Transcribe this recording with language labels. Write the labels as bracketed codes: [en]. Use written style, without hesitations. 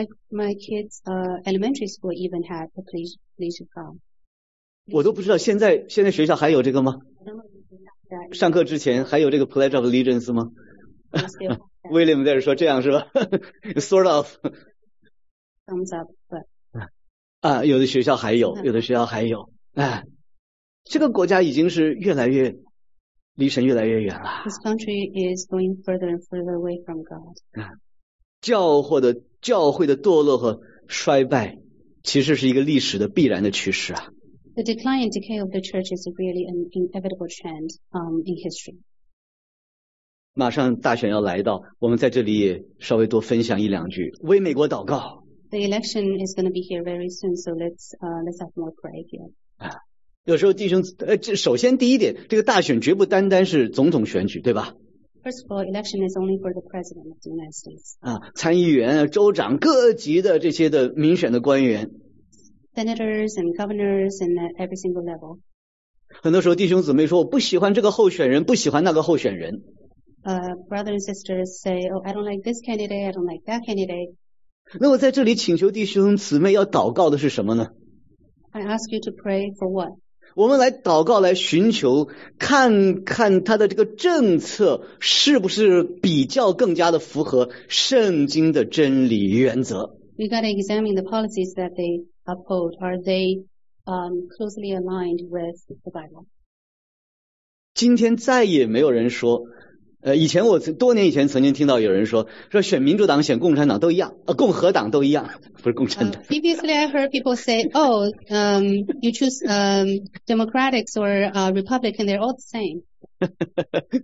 [en] My kids, elementary school even had the Pledge of God. [zh] 我都不知道现在学校还有这个吗？上课之前还有这个 Pledge of Allegiance 吗？ William 在这说这样是吧？ [en] Sort of. Thumbs up, but. [zh] 有的学校还有，有的学校还有，这个国家已经是越来越离神越来越远了。 [en] This country is going further and further away from God. [zh] 教会的堕落和衰败，其实是一个历史的必然的趋势啊。 [en] The decline and decay of the church is really an inevitable trend in history. [zh] 马上大选要来到，我们在这里也稍微多分享一两句，为美国祷告。 [en] The election is going to be here very soon, so let's have more prayer here. [zh] 有时候弟兄，首先第一点，这个大选绝不单单是总统选举，对吧？ [en] First of all, election is only for the president of the United States. [zh] 参议员、州长、各级的这些的民选的官员。 [en] Senators and governors and every single level. [zh] 很多时候弟兄姊妹说，我不喜欢这个候选人，不喜欢那个候选人。 [en] Brothers and sisters say, oh, I don't like this candidate, I don't like that candidate. [zh] 那我在这里请求弟兄姊妹要祷告的是什么呢？ [en] I ask you to pray for what? [zh] 我们来祷告，来寻求看看他的这个政策是不是比较更加的符合圣经的真理原则。 [en] We gotta examine the policies that they uphold. Are they closely aligned with the Bible? [zh] 今天再也没有人说，以前我多年以前曾经听到有人说选民主党选共产党都一样，共和党都一样，不是共产党。 [en] Previously, I heard people say, "Oh, you choose Democrats or Republican, they're all the same."